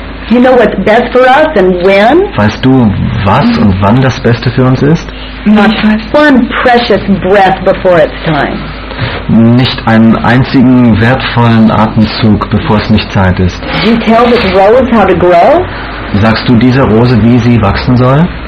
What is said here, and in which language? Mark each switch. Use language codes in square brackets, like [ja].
[en] You know what's best for us and when? [de] Weißt du, was und wann das Beste für uns ist? [en] Not one precious breath before it's time. [de] Nicht einen einzigen wertvollen Atemzug, bevor es nicht Zeit ist. [en] Do you tell this rose how to grow? [de] Sagst du dieser Rose, wie sie wachsen soll?